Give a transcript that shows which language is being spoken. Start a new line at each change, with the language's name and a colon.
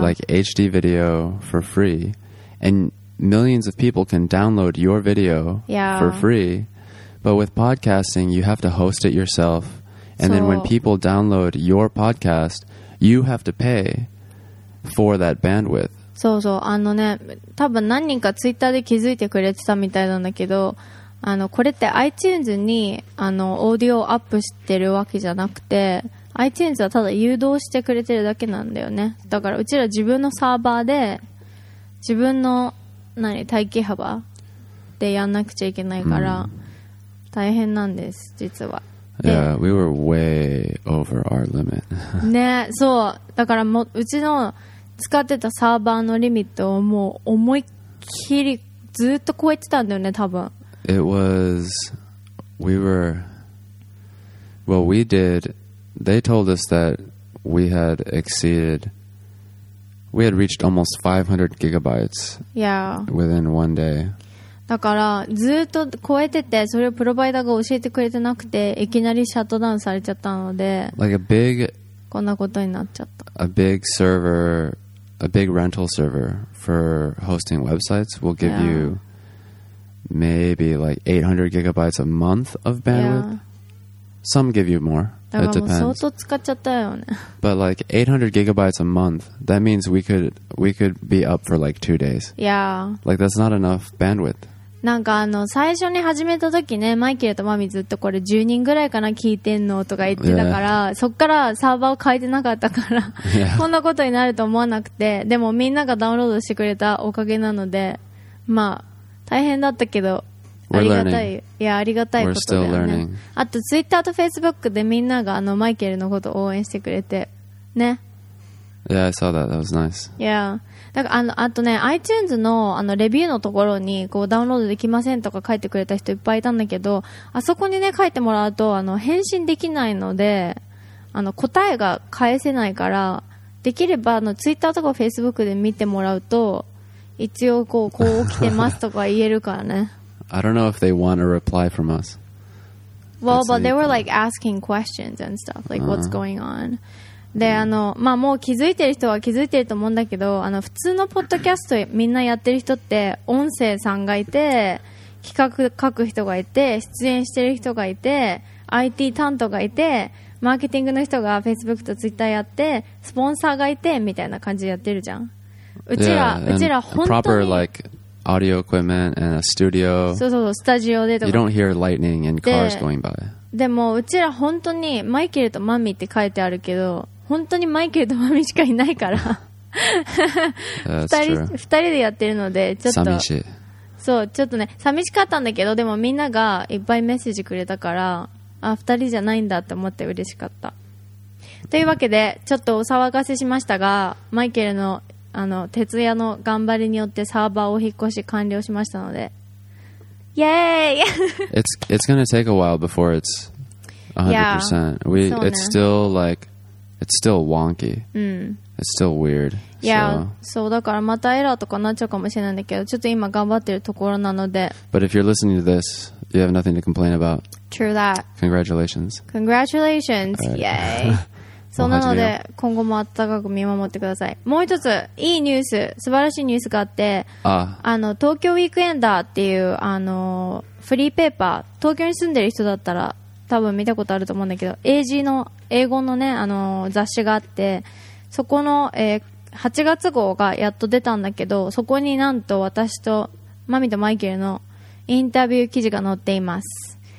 English: like HD video for free, and millions of people can download your video, yeah, for free. But with podcasting, you have to host it yourself. And then when people download your podcast, you have to pay for that bandwidth.
Japanese: そうそう、ね、多分何人かツイッターで気づいてくれてたみたいなんだけど、これって iTunes にオーディオをアップしてるわけじゃなくて、iTunes はただ誘導してくれてるだけなんだよね。だからうちら自分のサーバーで自分の待機幅でやんなくちゃいけないから大変なんです、実は。
English: Yeah, we were way over our limit.
Japanese: ね、そう。だからもうちの使ってたサーバーのリミットをもう思いっきりずっと超えてたんだよね、多分。
English: It was, we were, well, we did. They told us that we had reached almost 500 gigabytes. Yeah. Within one day.
Japanese: だからずっと超えてて、それをプロバイダーが教えてくれてなくて、いきなりシャットダウンされちゃったので、
English: like、a big,
Japanese: こんなことになっちゃった。
English: A big server, a big rental server for hosting websites will give、yeah. you maybe like 800 gigabytes a month of bandwidth.、Yeah. Some give you more. It depends.
Japanese: 相当使っちゃったよね。
English: But like 800 gigabytes a month, that means we could be up for like 2 days. Yeah. Like that's not enough bandwidth.
Japanese: なんか最初に始めた時ね、マイケルとマミずっとこれ10人ぐらいかな聞いてんのとか言ってたから、
English: yeah.
Japanese: そっからサーバーを変えてなかったから、
English: yeah.
Japanese: こんなことになると思わなくて、でもみんながダウンロードしてくれたおかげなので、まあ大変だったけど、
English: We're、
Japanese: ありがたい
English: learning.
Japanese: いやありがたいことだよね。あとツイッターとフェイスブックでみんながマイケルのことを応援してくれてね。
English: Yeah, I saw that. That was nice. Yeah.
Japanese: だからあとね、iTunes のレビューのところにこうダウンロードできませんとか書いてくれた人いっぱいいたんだけど、あそこにね書いてもらうと返信できないので、答えが返せないから、できれば Twitter とか Facebook で見てもらうと一応こう起きてますとか言えるからね。
English: I don't know if they want a reply from us. Well, but they were like asking questions and stuff, like what's going on.
Japanese: で、もう気づいてる人は気づいてると思うんだけど、普通のポッドキャストみんなやってる人って音声さんがいて、企画書く人がいて、出演してる人がいて、 IT 担当がいて、マーケティングの人が Facebook と Twitter やって、スポンサーがいてみたいな感じでやってるじゃん。うちら、
English: yeah,
Japanese: うちら本当に
English: proper, like, audio equipment and a studio.
Japanese: そうそうそう、スタジオでとか。
English: You don't hear lightning and cars going by.
Japanese: でもうちら本当にマイケルとマミって書いてあるけど、本当にマイケルとマミしかいないから 2人でやってるので、ちょっと寂しい。そう、ちょっとね寂しかったんだけど、でもみんながいっぱいメッセージくれたから、あ、2人じゃないんだって思って嬉しかった。というわけでちょっとお騒がせしましたが、マイケルのあの徹夜の頑張りによってサーバーを引っ越し完了しましたので、イエーイ。
English: It's gonna take a while before it's 100%. Yeah, it's still wonky. It's still weird. Yeah, so
Japanese: だからまたエラーとかなっちゃうかもしれないんだけど、ちょっと今頑張ってるところなので。
English: But if you're listening to this, you have nothing to complain about. True that. Congratulations. Congratulations. Yay.
Japanese: そうなので今後も温かく見守ってください。もう一ついいニュース、素晴らしいニュースがあって、あの東京ウィークエンダーっていうあのフリーペーパー、東京に住んでる人だったら多分見たことあると思うんだけど、 AG の英語のねあの雑誌があって、そこの、8月号がやっと出たんだけど、そこになんと私とマミとマイケルのインタビュー記事が載っています。